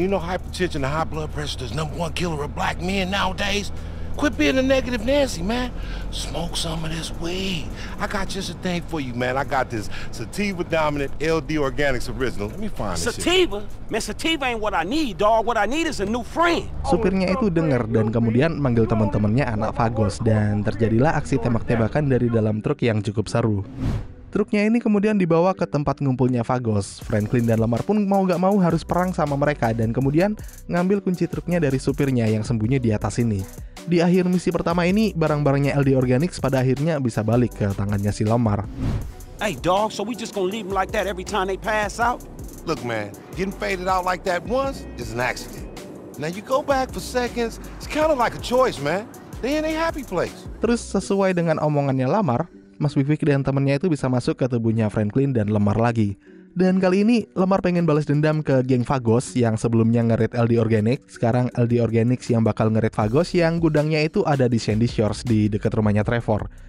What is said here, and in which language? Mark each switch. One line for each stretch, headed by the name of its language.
English: You know hypertension and high blood pressure is number one killer of black men nowadays. Quit being a negative Nancy, man. Smoke some of this weed. I got just a thing for you, man. I got this sativa dominant LD Organics original. Let me find this. Sativa? Man, sativa ain't what I need, dog. What I need is a new friend.
Indonesian: Supirnya itu dengar dan kemudian manggil teman-temannya anak Fagos, dan terjadilah aksi tembak-tembakan dari dalam truk yang cukup seru. Truknya ini kemudian dibawa ke tempat ngumpulnya Fagos. Franklin dan Lamar pun mau gak mau harus perang sama mereka, dan kemudian ngambil kunci truknya dari supirnya yang sembunyi di atas ini. Di akhir misi pertama ini, barang-barangnya LD Organics pada akhirnya bisa balik ke tangannya si Lamar.
English: Hey dog, so we just gonna leave them like that every time they pass out? Look man, getting faded out like that once is an accident. Now you go back for seconds, it's kind of like a choice man. They in a happy place.
Indonesian: Terus sesuai dengan omongannya Lamar, Mas Wiwik dan temannya itu bisa masuk ke tubuhnya Franklin dan Lemar lagi. Dan kali ini Lemar pengen balas dendam ke geng Fagos yang sebelumnya ngerit LD Organics. Sekarang LD Organics yang bakal ngerit Fagos yang gudangnya itu ada di Sandy Shores di dekat rumahnya Trevor.